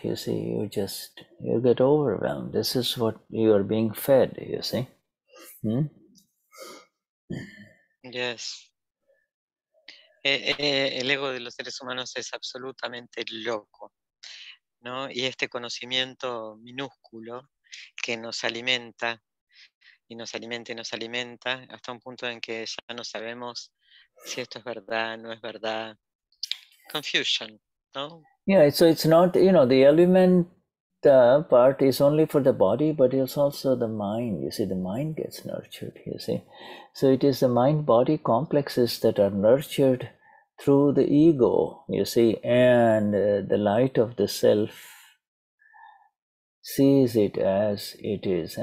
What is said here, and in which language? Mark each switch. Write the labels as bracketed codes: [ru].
[en] You see, you get overwhelmed. This is what you are being fed, you see. Yes. [es] El ego de los seres humanos es absolutamente loco. ¿No? Y este conocimiento minúsculo que nos alimenta y nos alimenta hasta un punto en que ya no sabemos si esto es verdad, no es verdad. Confusion, ¿no? [en] Yeah, so it's not, you know, the element part is only for the body, but it's also the mind. You see, the mind gets nurtured, you see. So it is the mind-body complexes that are nurtured through the ego, you see, and the light of the self sees it as it is.